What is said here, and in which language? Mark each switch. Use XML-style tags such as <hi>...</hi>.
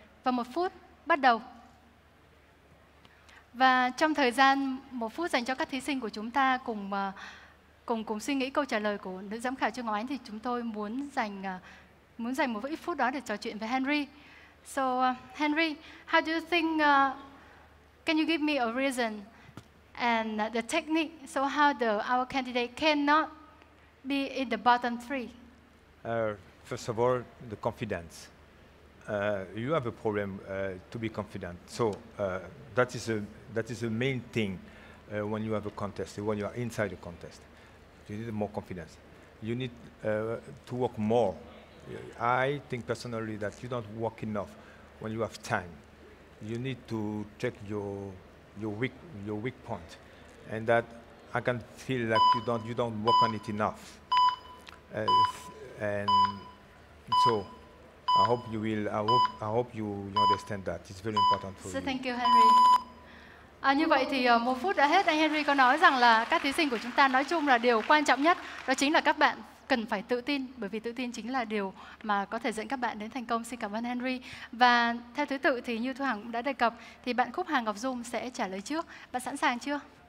<vi>Và 1 phút bắt đầu. Và trong thời gian 1 phút dành cho các thí sinh của chúng ta cùng suy nghĩ câu trả lời của nữ giám khảo Trương Ngọc Ánh, thì chúng tôi muốn dành một ít phút đó để trò chuyện với Henry.</vi> <en>So Henry, how do you think? Can you give me a reason and the technique? So how our candidate cannot be in the bottom three? First of all, the confidence. You have a problem to be confident. So that is the main thing when you have a contest, when you are inside a contest. You need more confidence. You need to work more I think personally that you don't work enough when you have time. You need to check your weak point, and that I can feel like you don't work on it enough. And so, I hope you understand that it's very important for you. So thank you, Henry.</en> <vi>À, như vậy thì một phút đã hết. Anh Henry có nói rằng là các thí sinh của chúng ta nói chung là điều quan trọng nhất đó chính là các bạn cần phải tự tin, bởi vì tự tin chính là điều mà có thể dẫn các bạn đến thành công. Xin cảm ơn Henry. Và theo thứ tự thì như Thu Hằng cũng đã đề cập thì bạn Khúc Hàng Ngọc Dung sẽ trả lời trước. Bạn sẵn sàng chưa?</vi>